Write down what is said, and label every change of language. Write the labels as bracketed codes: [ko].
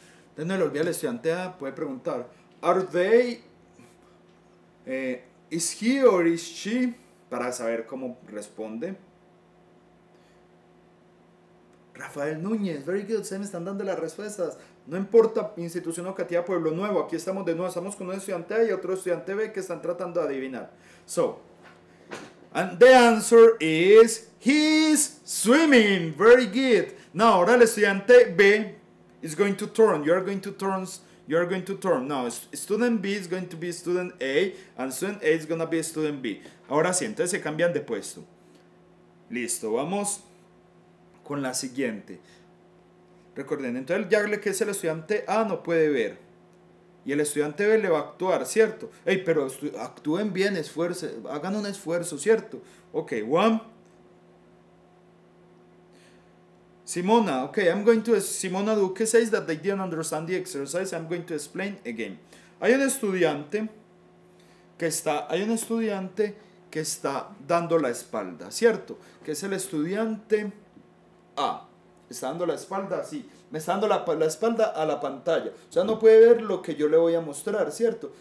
[es] Entonces no le olvide al estudiante A, puede preguntar, [en] are they, is he or is she, [es] para saber cómo responde. Rafael Núñez, [en] very good, [es] se me están dando las respuestas. No importa, institución educativa Pueblo Nuevo, aquí estamos de nuevo, estamos con un estudiante A y otro estudiante B que están tratando de adivinar. [en] So, and the answer is, he's swimming, very good. [es] No, ahora el estudiante B... [en] It's going to turn. You are going to turn. Now, student B is going to be student A. And student A is going to be student B. [es] Ahora sí, entonces se cambian de puesto. Listo, vamos con la siguiente. Recuerden, entonces el Jagle, que es el estudiante A, no puede ver. Y el estudiante B le va a actuar, ¿cierto? Ey, pero actúen bien, esfuercen, hagan un esfuerzo, ¿cierto? [en] Ok, one. Simona, ok, I'm going to... Simona Duque says that they didn't understand the exercise, I'm going to explain again. [es] Hay un estudiante que está dando la espalda, ¿cierto? Que es el estudiante A. Está dando la espalda así. Me está dando la espalda a la pantalla. O sea, no puede ver lo que yo le voy a mostrar, ¿cierto?